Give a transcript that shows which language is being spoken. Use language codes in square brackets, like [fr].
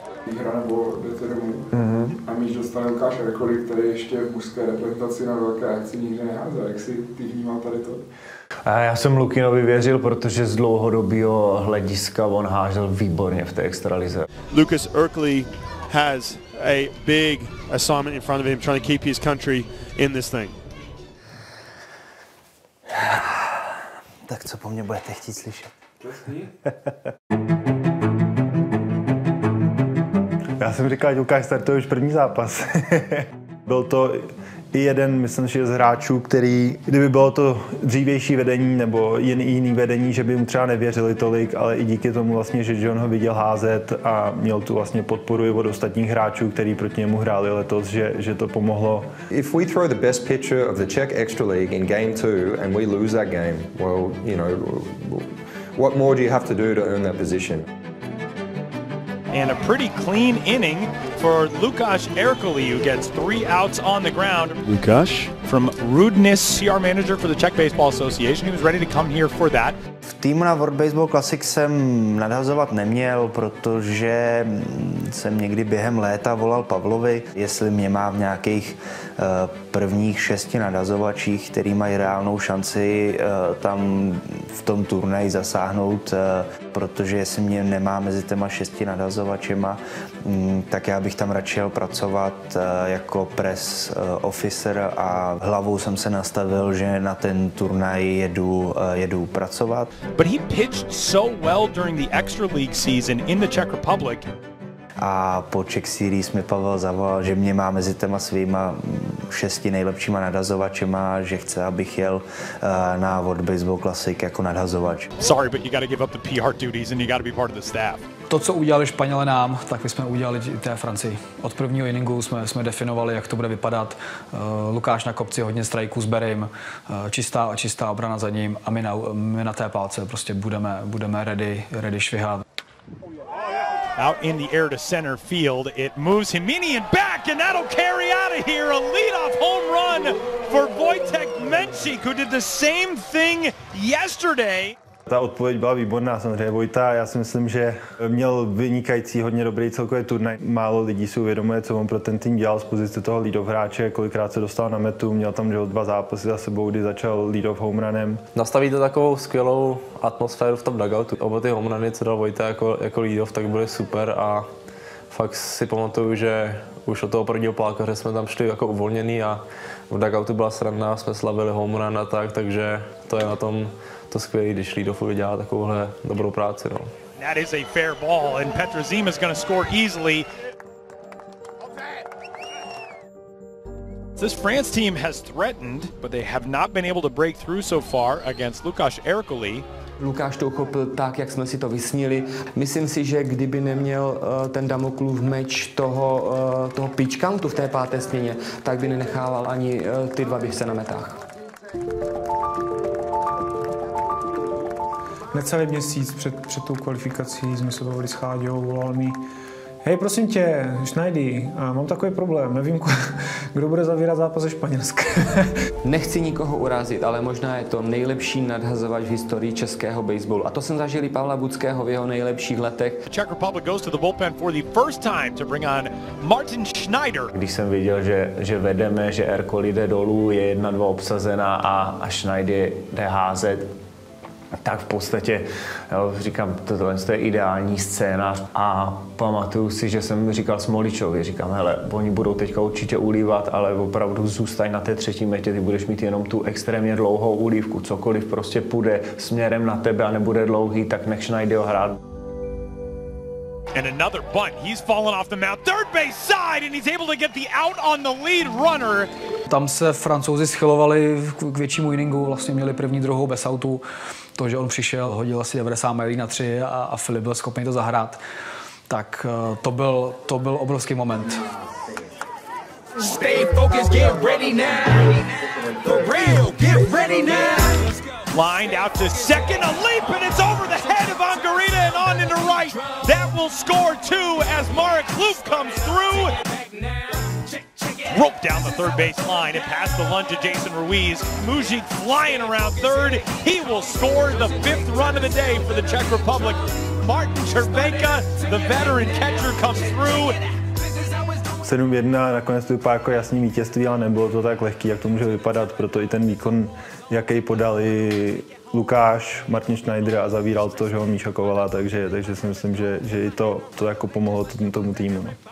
[cs] Výhra nebo jdete domů a míš dostane Lukáš Rekoli, který ještě v mužské reprezentaci na velké akci nikdy neházel. Jak si ty vnímal tady to? Já jsem Lukinovi věřil, protože z dlouhodobého hlediska on hážel výborně v té extralize. [en] Lucas Erkley has a big assignment in front of him, trying to keep his country in this thing. [cs] Tak co po mně budete chtít slyšet? Já jsem říkal, že Lukáš startuje už první zápas. Byl to i jeden, myslím, že z hráčů, který, kdyby bylo to dřívější vedení nebo jiný vedení, že by mu třeba nevěřili tolik, ale i díky tomu vlastně, že John ho viděl házet a měl tu vlastně podporu i od ostatních hráčů, který proti němu hráli letos, že to pomohlo. [en] If we throw the best pitcher of the Czech extra league in game 2 and we lose that game, well, you know, what more do you have to earn that position? And a pretty clean inning for Lukáš Erkoli, who gets 3 outs on the ground. Lukáš? From Rudnis, CR manager for the Czech Baseball Association. He was ready to come here for that. [cs] V týmu na World Baseball Classic jsem nadhazovat neměl, protože jsem někdy během léta volal Pavlovi, jestli mě má v nějakých prvních 6 nadhazovačích, který mají reálnou šanci tam v tom turnaji zasáhnout, protože jestli mě nemá mezi těma 6 nadhazovačema, tak já bych tam radši jel pracovat jako press officer a hlavou jsem se nastavil, že na ten turnaj jedu pracovat. [en] But he pitched so well during the extra league season in the Czech Republic. [cs] A po Czech series mi Pavel zavolal, že mě má mezi těma svýma 6 nejlepšíma nadhazovačema, že chce, abych jel na World Baseball Classic jako nadhazovač. [en] Sorry, but you gotta give up the PR duties and you gotta be part of the staff. [cs] To, co udělali Španěle nám, tak my jsme udělali té Francii. Od prvního inningu jsme definovali, jak to bude vypadat. Lukáš na kopci, hodně strajků s Berim, čistá obrana za ním a my na té pálce prostě budeme ready švihat. Out in the air to center field, it moves Hemenian back, and that'll carry out of here. A leadoff home run for Wojtek Menšík, who did the same thing yesterday. Ta odpověď byla výborná, samozřejmě Vojta. Já si myslím, že měl vynikající, hodně dobrý celkový turnaj. Málo lidí si uvědomuje, co on pro ten tým dělal z pozice toho lead-off hráče, kolikrát se dostal na metu, měl tam dva zápasy za sebou, kdy začal lead-off home runem. Nastaví to takovou skvělou atmosféru v tom dugoutu. Oba ty home runy, co dal Vojta jako lead-off, tak byly super a fakt si pamatuju, že už od toho prvního plákaře jsme tam šli jako uvolnění a v dugoutu byla sranda, jsme slavili home run a tak, takže to je na tom to skvělé, když Lidofovi dělá takovouhle dobrou práci. No. [en] That is a fair ball and Petrozím is going to score easily. This France team has threatened, but they have not been able to break through so far against Lukáš Erkoli. [cs] Lukáš to uchopil tak, jak jsme si to vysnili. Myslím si, že kdyby neměl ten Damoklův meč toho pitch countu v té páté směně, tak by nenechával ani ty dva běžce na metách. Necelý měsíc před tou kvalifikací jsme se bavili s Cháďou, volal mi: hej, prosím tě, Schneidy, mám takový problém, nevím, kdo bude zavírat zápas ze Španělska. Nechci nikoho urazit, ale možná je to nejlepší nadhazovač v historii českého baseballu. A to jsem zažil i Pavla Budského v jeho nejlepších letech. [en] Czech Republic goes to the bullpen for the first time to bring on Martin Schneider. [cs] Když jsem viděl, že vedeme, že Erkol jde dolů, je 1-2 obsazená a Schneidy jde házet, tak v podstatě, jo, říkám, tohle je ideální scénář. A pamatuju si, že jsem říkal Smoličovi, říkám, hele, oni budou teďka určitě ulívat, ale opravdu zůstaň na té třetí metě, ty budeš mít jenom tu extrémně dlouhou ulívku, cokoliv prostě půjde směrem na tebe a nebude dlouhý, tak nech Schneider ho hrát. [en] And another bunt. He's fallen off the mound. Third base side and he's able to get the out on the lead runner. [cs] Tam se Francouzi schylovali k většímu inningu, vlastně měli první, druhou bez outu. To, že on přišel, hodil asi 90 milí na 3 a Filip byl schopný to zahrát. Tak to byl obrovský moment. [en] Stay focused, get ready now. The real, get ready now. Lined out to second, a leap, and it's over the head of Angarita and on into right. That will score two as Marek Loop comes through. Roped down the third base line and passed the lunge to Jason Ruiz. Mužík flying around third. He will score the fifth run of the day for the Czech Republic. Martin Červenka, the veteran catcher, comes through. [cs] 7-1 a nakonec to vypadá jako jasný vítězství, ale nebylo to tak lehký, jak to může vypadat, proto i ten výkon, jaký podali Lukáš, Martin Schneider a zavíral to, že ho Míša Kovala, takže si myslím, že i to jako pomohlo tomu týmu.